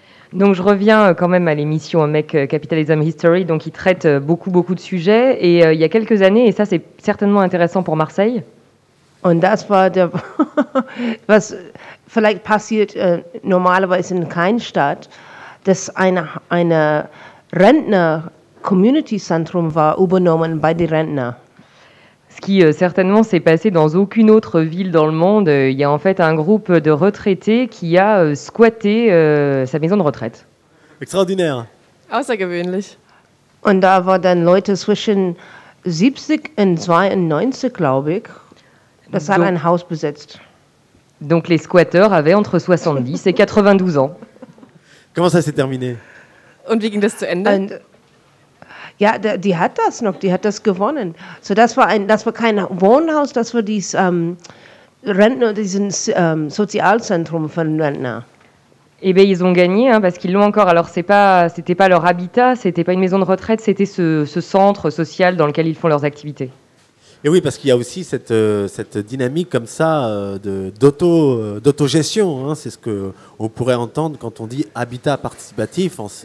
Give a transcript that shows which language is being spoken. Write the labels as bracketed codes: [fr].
[fr] Donc je reviens quand même à l'émission Mec Capitalism History, donc il traite beaucoup beaucoup de sujets et il y a quelques années, et ça c'est certainement intéressant pour Marseille. [de] Und das war der, was vielleicht passiert normalerweise in Kleinstadt, dass eine Rentner-Community-Centrum war übernommen bei den Rentner. [fr] Ce qui certainement s'est passé dans aucune autre ville dans le monde, il y a en fait un groupe de retraités qui a squatté sa maison de retraite. Extraordinaire. [de] Außergewöhnlich. Und da war dann Leute zwischen 70 und 92, glaube ich, das hat ein Haus besetzt. [fr] Donc les squatteurs avaient entre 70 et 92 ans. Comment ça s'est terminé? [de] Und wie ging das zu Ende? Ja, die hat das noch, die hat das gewonnen. So, das war kein Wohnhaus, das war dieses Rentner, dieses Sozialzentrum von Rentner. [fr] Eh bien, ils ont gagné, hein, parce qu'ils l'ont encore. Alors, c'était pas leur habitat, c'était pas une maison de retraite, c'était ce centre social dans lequel ils font leurs activités. Et oui, parce qu'il y a aussi cette dynamique comme ça d'autogestion. Hein, c'est ce qu'on pourrait entendre quand on dit habitat participatif.